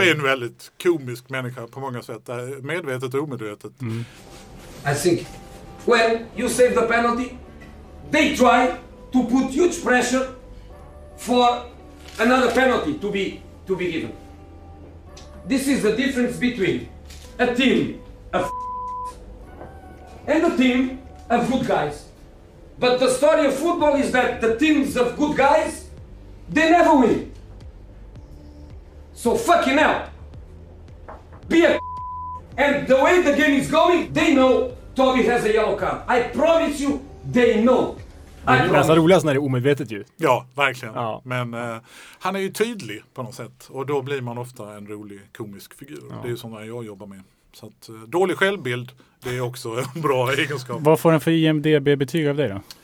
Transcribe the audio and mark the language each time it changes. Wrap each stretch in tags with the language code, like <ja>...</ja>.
<sv>Är en väldigt komisk människa på många sätt. Medvetet och omedvetet.</sv> <en>I think, well, you save the penalty. They try to put huge pressure for another penalty to be given. This is the difference between a team of and a team of good guys. But the story of football is that the teams of good guys, they never win. So fucking hell. Be a and the way the game is going, they know Toby has a yellow card. I promise you, they know.</en> <sv>Det är nästan roligast när det är omedvetet ju. Ja, verkligen. Ja. Men han är ju tydlig på något sätt. Och då blir man ofta en rolig, komisk figur. Ja. Det är ju sådana jag jobbar med. Så att, dålig självbild, det är också en bra egenskap. Vad får den för IMDb-betyg av dig då?</sv>